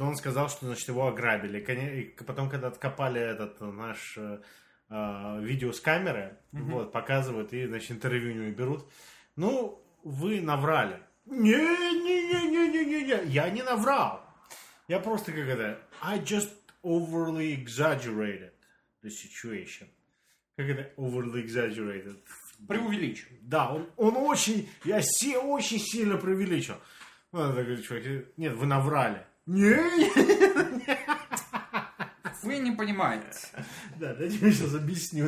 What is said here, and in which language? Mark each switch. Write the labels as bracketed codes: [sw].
[ru] Но он сказал, что, значит, его ограбили. И потом, когда откопали этот наш... видео с камеры, вот, показывают, и, значит, интервью у него берут. Ну, вы наврали. Не-не-не-не-не-не-не, я не наврал. Я просто как это... [en] I just overly exaggerated the situation. [ru] Как это [en] overly exaggerated? [ru] Преувеличил. Да, он очень... Я все очень сильно преувеличил. Он такой, чувак, нет, вы наврали. Вы не понимаете. Да, дайте мне сейчас объясню.